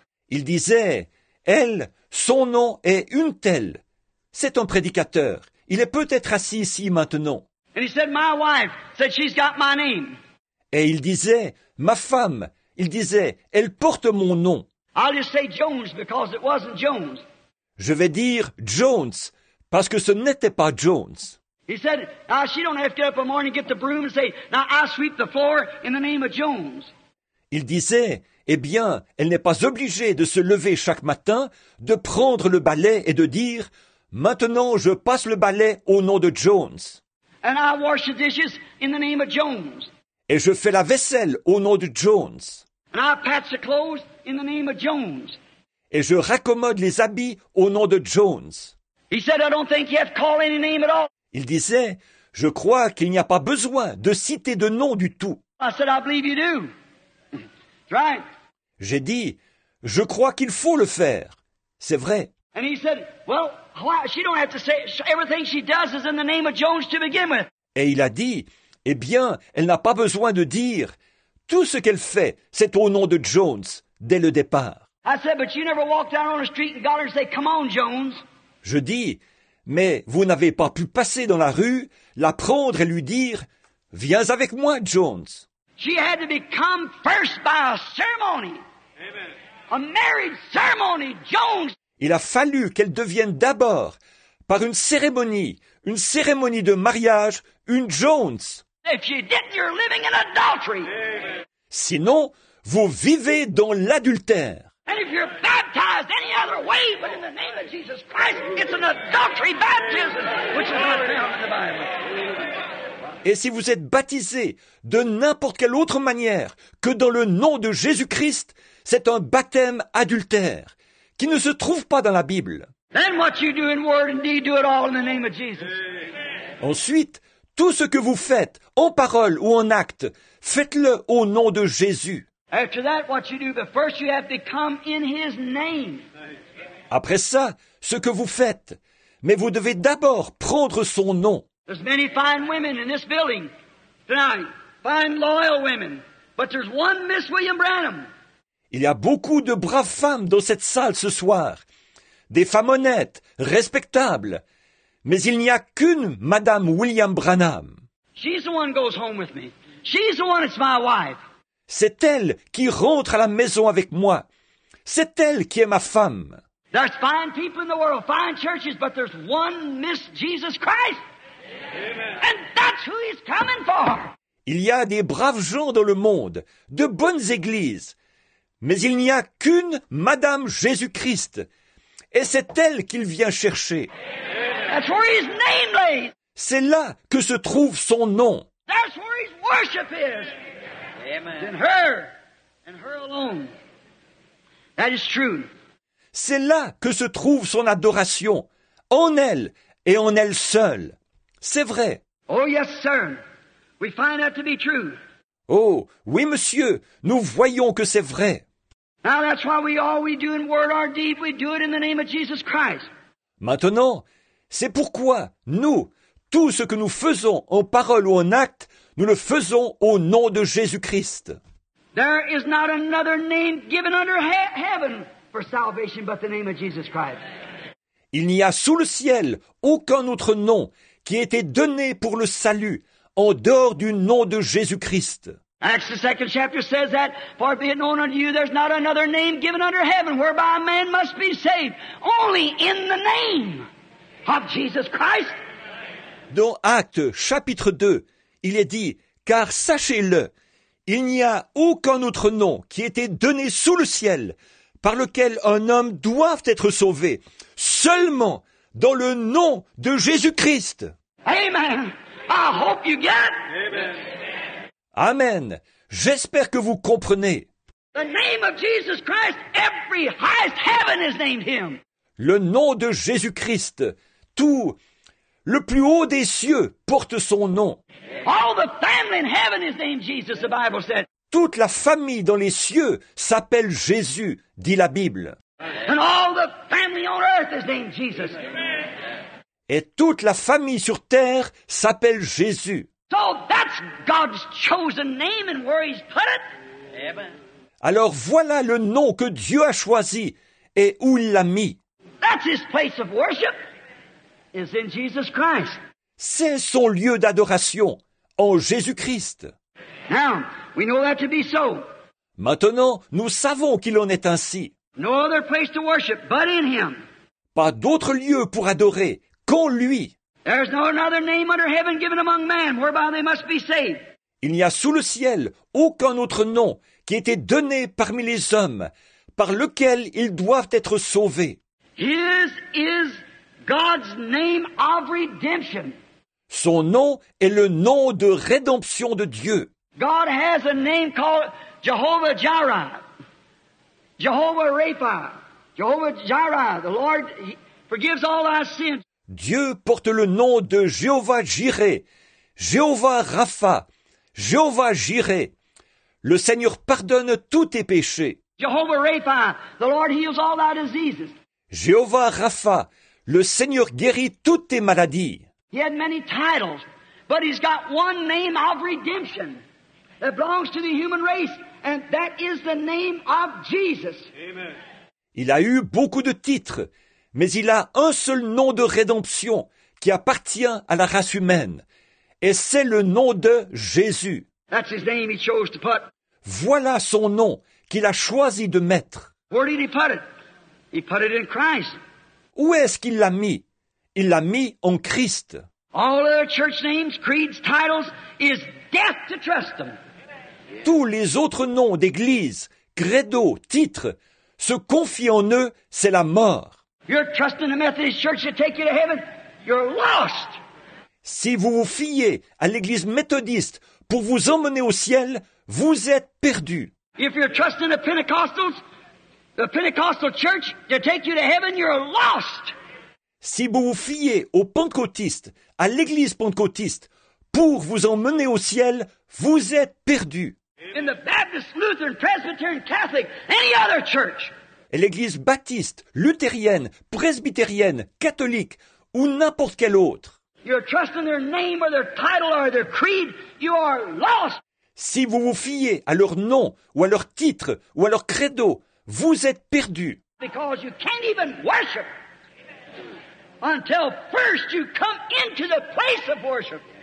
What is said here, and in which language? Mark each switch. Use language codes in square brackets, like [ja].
[fr] Il disait, elle, son nom est une telle. C'est un prédicateur. Il est peut-être assis ici maintenant. [en] And he said, my wife said she's got my name. [fr] Et il disait, ma femme, il disait, elle porte mon nom. [en] I'll just say Jones because it wasn't Jones. [fr] Je vais dire Jones parce que ce n'était pas Jones. [en] He said, now she don't have to get up in the morning and get the broom and say, now I sweep the floor in the name of Jones. [fr] Il disait, eh bien, elle n'est pas obligée de se lever chaque matin, de prendre le balai et de dire, maintenant je passe le balai au nom de Jones. [en] And I wash the dishes in the name of Jones. [fr] Et je fais la vaisselle au nom de Jones. [en] And I patch the clothes in the name of Jones. [fr] Et je raccommode les habits au nom de Jones. [en] He said, I don't think you have to call any name at all. [fr] Il disait, je crois qu'il n'y a pas besoin de citer de nom du tout. [en] I said, I believe you do. Right. [fr] J'ai dit, je crois qu'il faut le faire. C'est vrai. [en] And he said, well, she don't have to say everything she does is in the name of Jones to begin with. [fr] Et il a dit, eh bien, elle n'a pas besoin de dire tout ce qu'elle fait, c'est au nom de Jones dès le départ. [en] I said, but you never walked down on the street and got her to say, come on, Jones. [fr] Je dis, mais vous n'avez pas pu passer dans la rue, la prendre et lui dire, viens avec moi, Jones. [en] She had to become first by a ceremony. Amen. A marriage ceremony, Jones. [fr] Il a fallu qu'elle devienne d'abord, par une cérémonie de mariage, une Jones. [en] If you didn't, you're living in adultery. Amen. [fr] Sinon, vous vivez dans l'adultère. [en] And if you're baptized any other way but in the name of Jesus Christ, it's an adultery baptism, which is not found in the Bible. [fr] Et si vous êtes baptisé de n'importe quelle autre manière que dans le nom de Jésus-Christ, c'est un baptême adultère qui ne se trouve pas dans la Bible. [en] Then what you do in word and deed, do it all in the name of Jesus. [fr] Ensuite, tout ce que vous faites, en parole ou en acte, faites-le au nom de Jésus. [en] After that, what you do, but first you have to come in His name. [fr] Après ça, ce que vous faites, mais vous devez d'abord prendre son nom. [en] There's many fine women in this building tonight, fine loyal women, but there's one Miss William Branham. [fr] Il y a beaucoup de braves femmes dans cette salle ce soir, des femmes honnêtes, respectables, mais il n'y a qu'une Madame William Branham. [en] She's the one who goes home with me. She's the one that's my wife. [fr] C'est elle qui rentre à la maison avec moi. C'est elle qui est ma femme. [en] There's fine people in the world, fine churches, but there's one Miss Jesus Christ. Amen. And that's who he's coming for. [fr] Il y a des braves gens dans le monde, de bonnes églises, mais il n'y a qu'une Madame Jésus-Christ. Et c'est elle qu'il vient chercher. Amen. [en] That's where his name lays. [fr] C'est là que se trouve son nom. [en] That's where his worship is. Amen. And her alone. That is true. [fr] C'est là que se trouve son adoration, en elle et en elle seule. C'est vrai. [en] Oh yes, sir. We find that to be true. [fr] Oh oui, monsieur, nous voyons que c'est vrai. [en] Now that's why we do in word or deed, we do it in the name of Jesus Christ. [fr] Maintenant, c'est pourquoi nous, tout ce que nous faisons en parole ou en acte, nous le faisons au nom de Jésus-Christ. [en] There is not another name given under heaven for salvation but the name of Jesus Christ. [fr] Il n'y a sous le ciel aucun autre nom qui ait été donné pour le salut en dehors du nom de Jésus-Christ. [en] Acts the second chapter says that, for be it known unto you, there's not another name given under heaven whereby a man must be saved, only in the name of Jesus Christ. [fr] Dans Actes chapitre 2, il est dit, car sachez-le, il n'y a aucun autre nom qui ait été donné sous le ciel par lequel un homme doit être sauvé, seulement dans le nom de Jésus-Christ. [en] Amen. I hope you get. Amen. Amen. [fr] J'espère que vous comprenez. [en] The name of Jesus Christ, every highest heaven is named him. [fr] Le nom de Jésus-Christ, tout le plus haut des cieux porte son nom. [en] All the family in heaven is named Jesus, the Bible said. [fr] Toute la famille dans les cieux s'appelle Jésus, dit la Bible. [en] And all the family on earth is named Jesus. [fr] Et toute la famille sur terre s'appelle Jésus. [en] So that's God's chosen name and where he's put it. Amen. [fr] Alors voilà le nom que Dieu a choisi et où il l'a mis. [en] That's his place of worship. Is in Jesus Christ. [fr] C'est son lieu d'adoration en Jésus-Christ. [en] Now, we know that to be so. [fr] Maintenant, nous savons qu'il en est ainsi. [en] No other place to worship but in him. [fr] Pas d'autre lieu pour adorer qu'en lui. [en] There's no other name under heaven given among men whereby they must be saved. [fr] Il n'y a sous le ciel aucun autre nom qui ait été donné parmi les hommes par lequel ils doivent être sauvés. [en] His is God's name of redemption. [fr] Son nom est le nom de rédemption de Dieu. [en] God has a name called Jehovah Jireh. Jehovah Rapha. Jehovah Jireh. The Lord forgives all our sins. [fr] Dieu porte le nom de Jéhovah Jireh. Jéhovah Rapha. Jéhovah Jireh. Le Seigneur pardonne tous tes péchés. [en] Jehovah Rapha. The Lord heals all our diseases. [fr] Jéhovah Rapha. Le Seigneur guérit toutes tes maladies. [en] He had many titles, but he's got one name of redemption that belongs to the human race, and that is the name of Jesus. Amen. [fr] Il a eu beaucoup de titres, mais il a un seul nom de rédemption qui appartient à la race humaine, et c'est le nom de Jésus. [en] That's his name he chose to put. [fr] Voilà son nom qu'il a choisi de mettre. [en] Where did he put it? He put it in Christ. [fr] Où est-ce qu'il l'a mis? Il l'a mis en Christ. [en] All other church names, creeds, titles is death to trust them. [fr] Tous les autres noms d'église, credo, titres, se confient en eux, c'est la mort. [en] You're trusting the Methodist Church to take you to heaven, you're lost. [fr] Si vous vous fiez à l'église méthodiste pour vous emmener au ciel, vous êtes perdu. [en] If you're trusting the Pentecostals, the Pentecostal church to take you to heaven, you're lost. [fr] Si vous vous fiez aux pentecôtistes, à l'église pentecôtiste, pour vous emmener au ciel, vous êtes perdu. [en] In the Baptist, Lutheran, Presbyterian, Catholic, any other church. [fr] Et l'église baptiste, luthérienne, presbytérienne, catholique, ou n'importe quelle autre. [en] You're trusting their name or their title or their creed, you are lost. [fr] Si vous vous fiez à leur nom, ou à leur titre, ou à leur credo, vous êtes perdu. [en] Because you can't even worship until first you come into the place of worship.